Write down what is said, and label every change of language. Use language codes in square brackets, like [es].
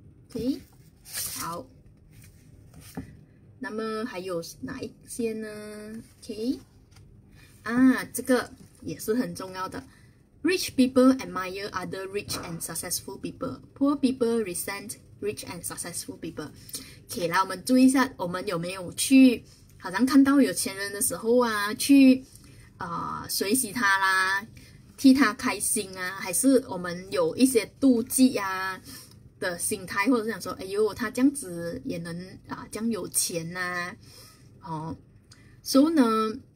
[zh] OK，好，那么还有哪一些呢？OK，啊，这个也是很重要的。 [en] Rich people admire other rich and successful people. Poor people resent rich and successful people. [zh] OK，来，我们注意一下，我们有没有去，好像看到有钱人的时候啊，去随喜他啦，替他开心啊，还是我们有一些妒忌啊的心态，或者是想说，哎呦，他这样子也能这样有钱呐、啊？哦，所以呢，